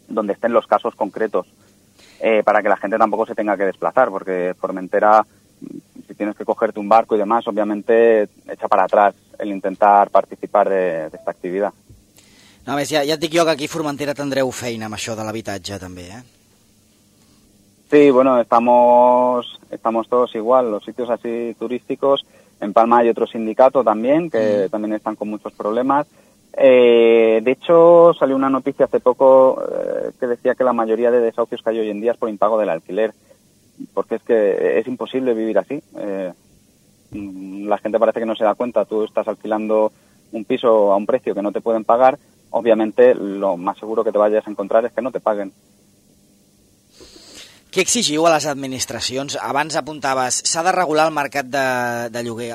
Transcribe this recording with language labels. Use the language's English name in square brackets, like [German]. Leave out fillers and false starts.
[Spanish] estén los casos concretos, para que la gente tampoco se tenga que desplazar, porque Formentera, si tienes que cogerte un barco y demás, obviamente echa para atrás el intentar participar [Catalan] d'aquesta activitat. No, a més, ja et dic jo que aquí a Formentera tindreu feina amb això de l'habitatge, també, [Spanish] Sí, bueno, estamos todos igual. Los sitios así turísticos, en Palma hay otro sindicato también, que también están con muchos problemas. De hecho, salió una noticia hace poco que decía que la mayoría de desahucios que hay hoy en día es por impago del alquiler, porque es que es imposible vivir así. La gente parece que no se da cuenta. Tú estás alquilando un piso a un precio que no te pueden pagar, obviamente lo más seguro que te vayas a encontrar es que no te paguen. [Catalan] Què exigiu a les administracions? Abans apuntaves, s'ha de regular el mercat de lloguer.